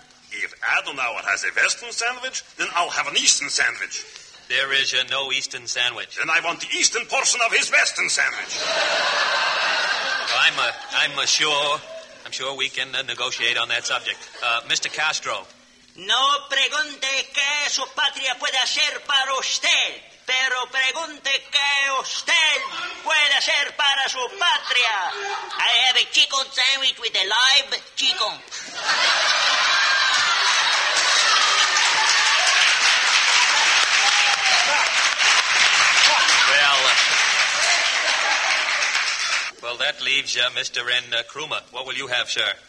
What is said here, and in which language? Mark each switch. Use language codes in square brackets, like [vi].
[en] If Adenauer has a Western sandwich, then I'll have an Eastern sandwich. There is no Eastern sandwich. Then I want the Eastern portion of his Western sandwich. I'm sure we can negotiate on that subject. Mr. Castro. [es] No pregunte qué su patria puede hacer para usted. Pero pregunte qué usted puede hacer para su patria. [en] I have a chicken sandwich with a live chicken. Well, that leaves Mr. N. Kruma. What will you have, sir?